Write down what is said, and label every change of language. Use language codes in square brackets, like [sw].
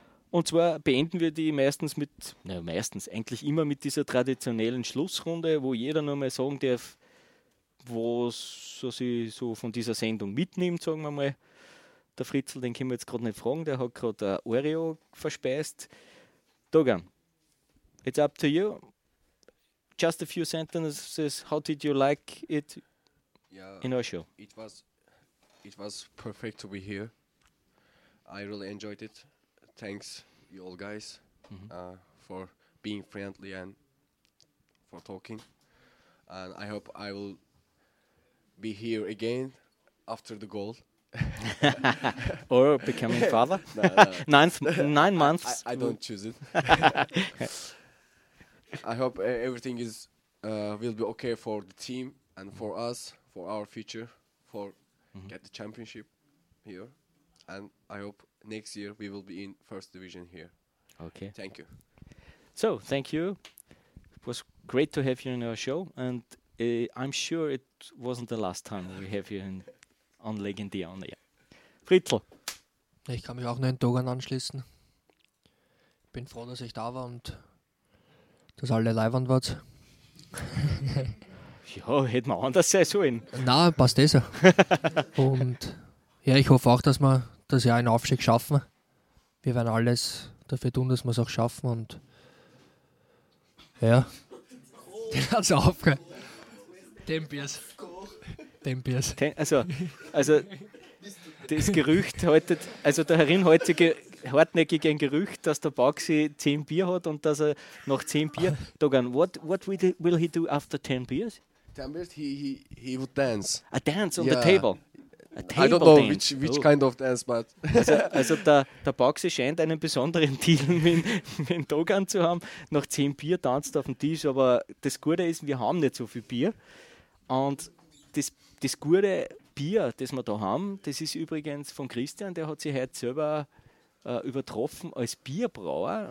[de] Und zwar beenden wir die eigentlich immer mit dieser traditionellen Schlussrunde, wo jeder nur mal sagen darf, was er sich so von dieser Sendung mitnimmt, sagen wir mal. Der Fritzl, den können wir jetzt gerade nicht fragen, der hat gerade ein Oreo verspeist. [en] Dogan, it's up to you. Just a few sentences, how did you like it in our show? It was perfect to be here. I really enjoyed it. Thanks, you all guys, for being friendly and for talking. And I hope I will be here again after the goal. Or becoming father. nine months. I don't choose it. I hope everything is will be okay for the team and for us, for our future, for get the championship here. And I hope next year we will be in first division here. Okay. Thank you. So, thank you. It was great to have you on our show, and I'm sure it wasn't the last time we have you on Legendia on Air. Fritzl. [de] Ich kann mich auch nur in Dogan anschließen. Ich bin froh, dass ich da war und dass alle live an wart. Ja, hätten wir anders sein sollen. Nein, passt eh so. Und ja, ich hoffe auch, dass wir das Jahr einen Aufstieg schaffen. Wir werden alles dafür tun, dass wir es auch schaffen. Und ja, den hat es aufgehört. Tempias. Also das Gerücht heute, also der Herrin heutige hartnäckig ein Gerücht, dass der Baxi 10 Bier hat und dass er noch 10 Bier. [en] Dogan, what will he do after 10 beers? 10 beers, he would dance. A dance on the table. I don't know which kind of dance, but... [de] Also der Boxi scheint einen besonderen Deal mit dem Dogan zu haben. Nach 10 Bier tanzt er auf dem Tisch, aber das Gute ist, wir haben nicht so viel Bier. Und das gute Bier, das wir da haben, das ist übrigens von Christian, der hat sich heute selber übertroffen als Bierbrauer.